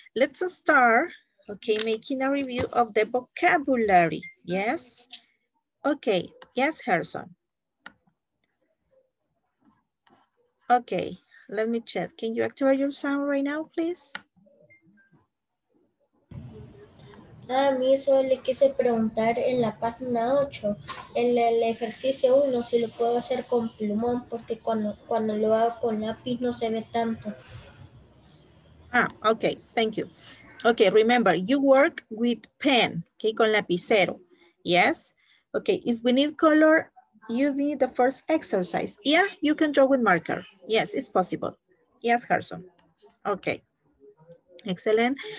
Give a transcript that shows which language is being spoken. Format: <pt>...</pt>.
<en>Let's start, okay, making a review of the vocabulary. Yes? Okay, yes, Harrison. Okay, let me check. Can you activate your sound right now, please?</en> <es>A mí solo le quise preguntar en la página 8, en el ejercicio 1, si lo puedo hacer con plumón, porque cuando lo hago con lápiz no se ve tanto.</es> <en>Ah, okay, thank you. Okay, remember, you work with pen, okay,</en> <es>con lapicero,</es> <en>yes? Okay, if we need color, you need the first exercise. Yeah, you can draw with marker. Yes, it's possible. Yes, Harrison. Okay. Excellent.</en>